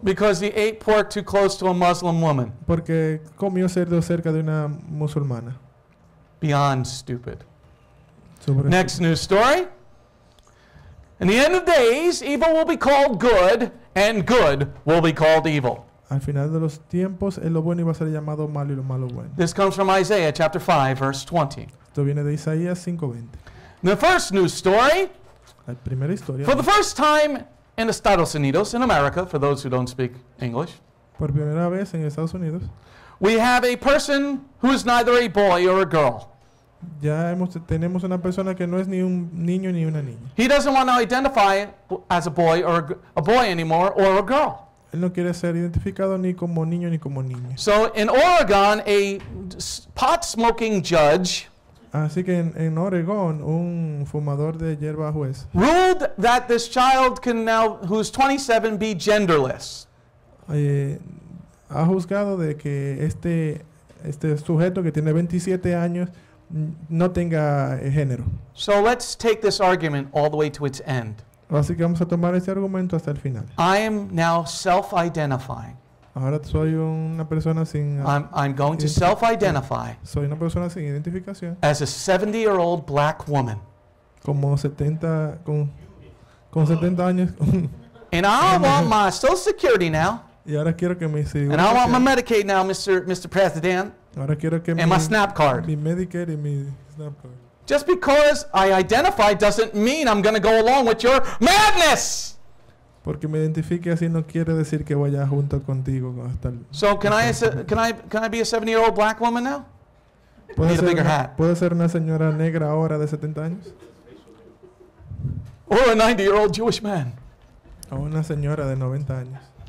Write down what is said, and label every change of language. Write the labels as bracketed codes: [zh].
[en] Because he ate pork too close to a Muslim woman. [es] Porque comió cerdo cerca de una musulmana. [en] Beyond stupid. [es] Super [en] Next stupid. News story. In the end of days, evil will be called good, and good will be called evil. [es] Al final de los tiempos, lo bueno iba a ser llamado malo y lo malo bueno. [en] This comes from Isaiah chapter 5, verse 20. [es] Esto viene de Isaías 5:20. [en] The first news story. [es] La primera historia. [en] For the first time in Estados Unidos, in America, for those who don't speak English. [es] Por primera vez en Estados Unidos. [en] We have a person who is neither a boy or a girl. [es] Ya tenemos una persona que no es ni un niño ni una niña. [en] He doesn't want to identify as a boy or a boy anymore or a girl. [es] Él no quiere ser identificado ni como niño ni como niña. [en] So in Oregon, a pot smoking judge. [es] Así que en Oregón, un fumador de hierba juez. [en] Ruled that this child can now, who's 27, be genderless. [es] Ha juzgado de que este sujeto que tiene 27 años no tenga género. [en] So let's take this argument all the way to its end. [es] Así que vamos a tomar ese argumento hasta el final. [en] I am now self-identifying. [es] Ahora soy una persona sin [en] I'm going to self-identify. [es] Soy una persona sin identificación. [en] As a 70-year-old black woman. [es] Como 70 con 70 años. [en] And I want my Social Security now. [es] Y ahora quiero que me [en] And I want my Medicaid now, Mr. President. [es] Ahora quiero que [en] and my SNAP card. [es] Mi Medicaid y mi SNAP card. [en] Just because I identify doesn't mean I'm going to go along with your madness. [es] Porque me identifique así no quiere decir que vaya junto contigo hasta el. [en] So can I be a 70-year-old black woman now? Need a bigger hat. [es] Puedo ser una señora negra ahora de 70 años. [en] Or a 90-year-old Jewish man. [es] O una señora de 90 años.